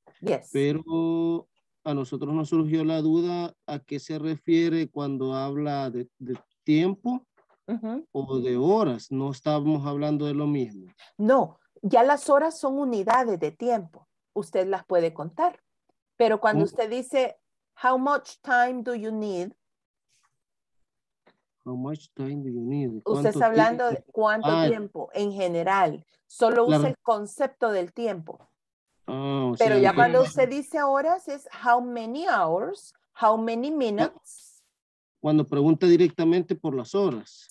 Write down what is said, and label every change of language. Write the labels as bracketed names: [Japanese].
[English] Yes. [Spanish] Pero a nosotros nos surgió la duda a qué se refiere cuando habla de tiempo uh-huh. o de horas. No estábamos hablando de lo mismo. No, ya las horas son unidades de tiempo. Usted las puede contar. Pero cuando uh-huh. usted dice [English] how much time do you need, how much time do you need? [Spanish] Usted está hablando de cuánto tiempo en general. Solo usa el concepto del tiempo. Pero ya cuando usted dice horas es [English] how many hours, how many minutes. [Spanish] Cuando pregunta directamente por las horas.